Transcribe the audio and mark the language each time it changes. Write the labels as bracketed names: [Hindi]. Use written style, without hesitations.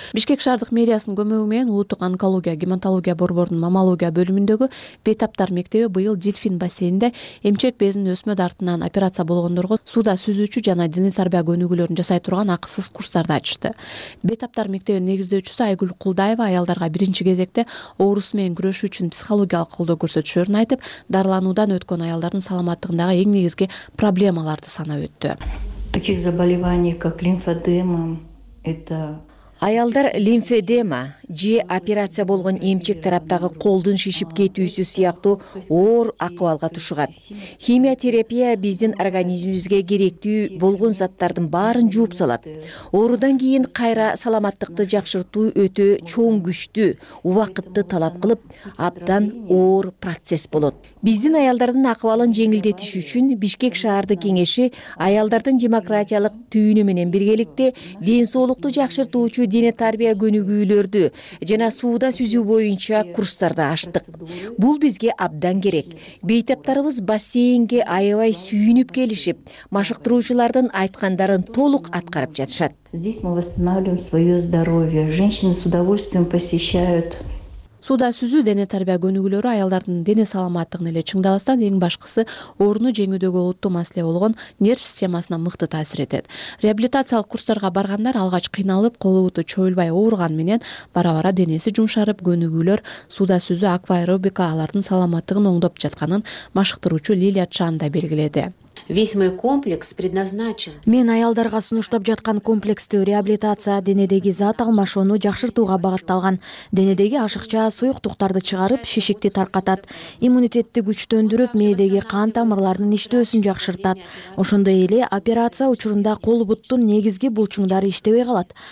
[Kyrgyz] Бишкек шаардык мэриясынын көмөгү менен улуттук онкология гематология борборунун маммология бөлүмүндөгү бейтаптар мектеби быйыл Дельфин бассейнинде эмчек безинин өсмө дартынан операция болгондорго сууда сүзүүчү жана дене тарбия көнүгүүлөрүн жасай турган акысыз курстарды ачышты. Бейтаптар мектебин негиздөөчүсү Айгүл Кулдаева аялдарга биринчи кезекте оорусу менен күрөшүү үчүн психологиялык колдоо көрсөтүшөрүн айтып, дарылануудан өткөн аялдардын саламаттыгындагы эң негизги проблемаларды санап өттү. [Russian] Таких заболеваний, как лимфодема, это [Kyrgyz] аялдар лимфедема же операция болгон эмчек тараптагы колдун шишип кетүүсү сыяктуу оор акыбалга тушугат. Химиотерапия биздин организмибизге керектүү болгон заттардын баарын жууп салат. Оорудан кийин кайра саламаттыкты жакшыртуу өтө чоң күчтү, убакытты талап кылып, абдан оор процесс болот. Биздин аялдардын акыбалын жеңилдетиш үчүн Бишкек шаардык кеңеши аялдардын демократиялык түйүнү менен биргеликте ден соолукту жакшыртуучу дене тарбия көнүгүүлөрдү жана сууда сүзүү боюнча курстарды ачтык. Бул бизге абдан керек. Бейтаптарыбыз бассейнге аябай сүйүнүп келишип, машыктыруучулардын айткандарын толук аткарып жатышат. [Russian] Здесь мы восстанавливаем своё здоровье. Женщины с удовольствием посещают. [Kyrgyz] Сууда сүзүү дене тарбия көнүгүүлөрү аялдардын дене саламаттыгын эле чыңдабастан, эң башкысы ооруну жеңүүдөгү олуттуу маселе болгон нерв системасына мыкты таасир этет. Реабилитациялык курстарга баргандар алгач кыйналып, колубуту чоюлбай ооруган менен бара-бара денеси жумшарып, көнүгүүлөр сууда сүзүү, акваэробика алардын саламаттыгын оңдоп жатканын машыктыруучу Лилия Чан да белгиледи. [Russian] Весь мой комплекс предназначен. [Kyrgyz] Мен аялдарга сунуштап жаткан комплекстүү реабилитация денедеги зат алмашууну жакшыртууга багытталган. Денедеги ашыкча суюктуктарды чыгарып, шишикти таркатат. Иммунитетти күчтөндүрүп, мээдеги кан тамырларынын иштөөсүн жакшыртат. Ошондой эле операция учурунда кол буттун негизги булчуңдары иштебей калат.